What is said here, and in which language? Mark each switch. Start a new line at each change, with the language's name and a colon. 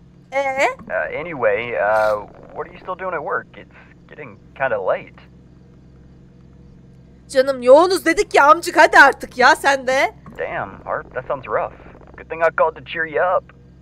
English: Anyway, what are you still doing at work? It's getting kind of late.
Turkish: Canım yoğunuz dedik ya amcık, hadi artık ya sen de.
English: Damn, Harp, that sounds rough. Good thing I called to cheer you up.